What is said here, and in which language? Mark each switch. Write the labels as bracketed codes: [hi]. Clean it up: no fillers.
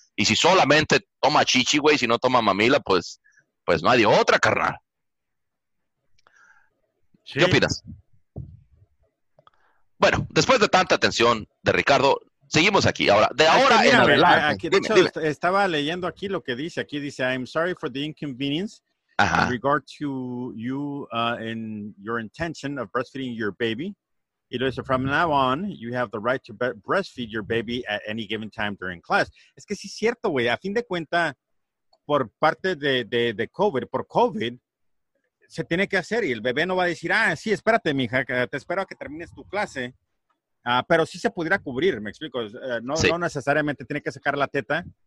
[es] Y si solamente toma chichi, güey, si no toma mamila, pues no hay de otra, carnal. Sí. ¿Qué opinas? Bueno, después de tanta atención de Ricardo, seguimos aquí. Ahora, de ahora en adelante. De hecho, dime. Estaba leyendo aquí lo que dice. Aquí dice, [en] I'm sorry for the inconvenience. Uh-huh. In regard to you and your intention of breastfeeding your baby, it is from now on, you have the right to breastfeed your baby at any given time during class. [es] Es que sí es cierto, güey. A fin de cuenta, por parte de COVID, por COVID, se tiene que hacer. Y el bebé no va a decir, ah, sí, espérate, mija, que te espero a que termines tu clase. Pero sí se pudiera cubrir, me explico. No necesariamente tiene que sacar la teta.